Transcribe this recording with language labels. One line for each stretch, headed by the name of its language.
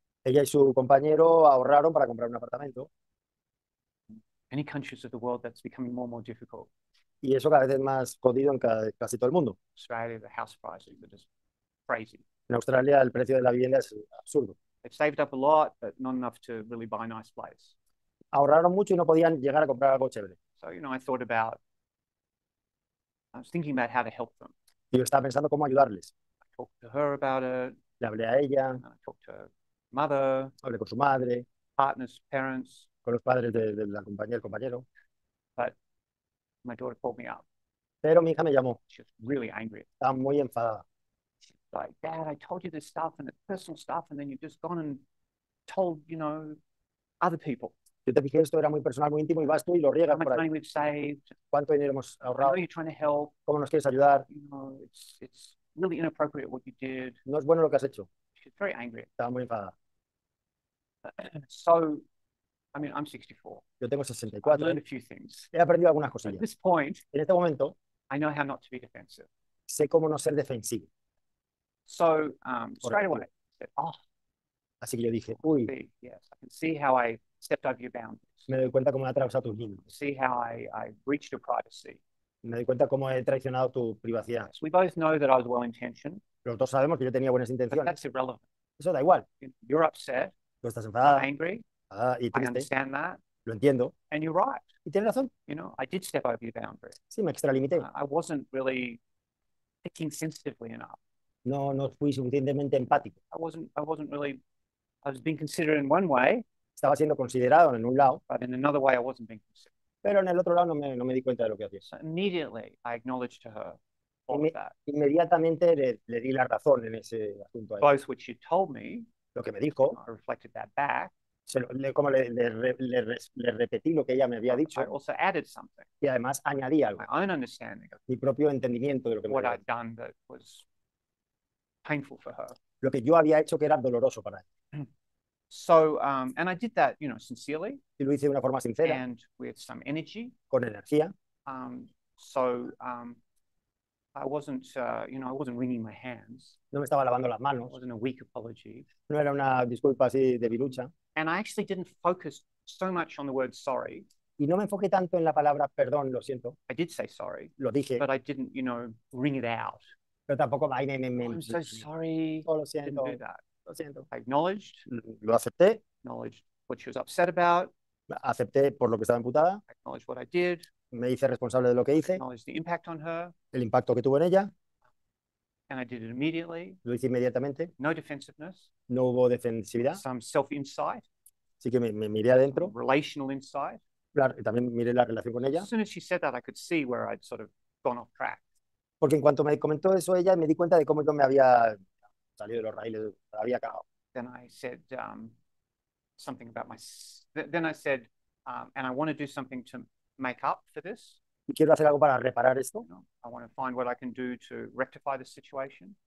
Spanish: Ella y su compañero ahorraron para comprar un apartamento.
English: Any countries of the world that's becoming more and more difficult.
Spanish: Y eso cada vez es más jodido en casi todo el mundo.
English: Australia, the house prices are just crazy.
Spanish: En Australia el precio de la vivienda es absurdo.
English: They've saved up a lot, but not enough to really buy a nice place.
Spanish: Ahorraron mucho y no podían llegar a comprar algo chévere.
English: So, you know, I was thinking about how to help them.
Spanish: Y yo estaba pensando cómo ayudarles.
English: I talked to her about it.
Spanish: Le hablé a ella.
English: I talked to her mother.
Spanish: Hablé con su madre.
English: Partners, parents.
Spanish: Con los padres de la compañía, el compañero.
English: But my daughter called me up.
Spanish: Pero mi hija me llamó.
English: She was really angry.
Spanish: Estaba muy enfadada.
English: She's like, Dad, I told you this stuff and it's personal stuff and then you've just gone and told, you know, other people.
Spanish: Yo te dije esto era muy personal, muy íntimo y vas tú y lo riegas por ahí.
English: We've saved.
Spanish: ¿Cuánto dinero hemos ahorrado?
English: I know you're trying to help.
Spanish: ¿Cómo nos quieres ayudar?
English: You know, it's really inappropriate what you did.
Spanish: No es bueno lo que has hecho.
English: She's very angry.
Spanish: Estaba muy enfadada.
English: So, I mean, I'm 64.
Spanish: Yo tengo 64.
English: I've learned a few things.
Spanish: He aprendido algunas cosillas.
English: At this point,
Spanish: en este momento,
English: I know how not to be defensive.
Spanish: Sé cómo no ser defensivo.
English: So, straight away, I said, oh.
Spanish: Así que yo dije, uy.
English: Yes, I can see how I stepped over your boundaries.
Spanish: Me doy cuenta cómo he atravesado tus límites.
English: See how I breached your privacy.
Spanish: Me doy cuenta cómo he traicionado tu privacidad.
English: So we both know that I was well-intentioned.
Spanish: Los dos sabemos que yo tenía buenas intenciones.
English: But that's irrelevant.
Spanish: Eso da igual.
English: You're upset.
Spanish: Tú estás enfadada.
English: I'm angry.
Spanish: Y
English: I understand that.
Spanish: Lo entiendo.
English: And you're right.
Spanish: Y tienes razón.
English: You know, I did step over your boundary.
Spanish: Sí, me extralimité.
English: I wasn't really thinking sensitively enough.
Spanish: No fui suficientemente empático.
English: I wasn't really, I was being considerate in one way.
Spanish: estaba siendo considerado en un lado,
English: but in another way I wasn't being considered.
Spanish: Pero en el otro lado no me di cuenta de lo que hacía.
English: So immediately I acknowledged to her all of that.
Spanish: Inmediatamente le di la razón en ese asunto.
English: Both what she told me,
Spanish: lo que me dijo,
English: I reflected that back.
Spanish: Como le repetí lo que ella me había dicho.
English: I also added something.
Spanish: Y además añadí algo.
English: My own understanding of
Spanish: mi propio entendimiento de lo que me
English: what
Spanish: había
English: I'd done that was painful for her.
Spanish: Lo que yo había hecho que era doloroso para ella.
English: So, and I did that, you know, sincerely.
Spanish: Y lo hice de una forma sincera.
English: And with some energy.
Spanish: Con energía.
English: I wasn't, you know, I wasn't wringing my hands.
Spanish: No me estaba lavando las manos.
English: It wasn't a weak apology.
Spanish: No era una disculpa así debilucha.
English: And I actually didn't focus so much on the word sorry.
Spanish: Y no me enfoqué tanto en la palabra perdón, lo siento.
English: I did say sorry.
Spanish: Lo dije.
English: But I didn't, you know, wring it out.
Spanish: Pero tampoco ahí me
English: I'm
Spanish: me
English: so sorry.
Spanish: Oh, lo siento.
English: Didn't do that.
Spanish: Lo siento.
English: I acknowledged.
Spanish: Lo acepté.
English: Acknowledged what she was upset about.
Spanish: Acepté por lo que estaba emputada.
English: I acknowledged what I did.
Spanish: Me hice responsable de lo que hice,
English: acknowledged the impact on her,
Spanish: el impacto que tuvo en ella,
English: and I did it immediately.
Spanish: Lo hice inmediatamente,
English: no defensiveness,
Spanish: no hubo defensividad,
English: some self-insight,
Spanish: así que me miré adentro,
English: relational insight,
Spanish: también miré la relación con ella,
English: as soon as she said that, I could see where I'd sort of gone off track.
Spanish: Porque en cuanto me comentó eso ella, me di cuenta de cómo yo me había salido de los raíles, había acabado.
English: Then I said something about my, then I said, and I want to do something to make up for this.
Spanish: Quiero hacer algo para reparar esto.
English: You know, I want to find what I can do to rectify the situation.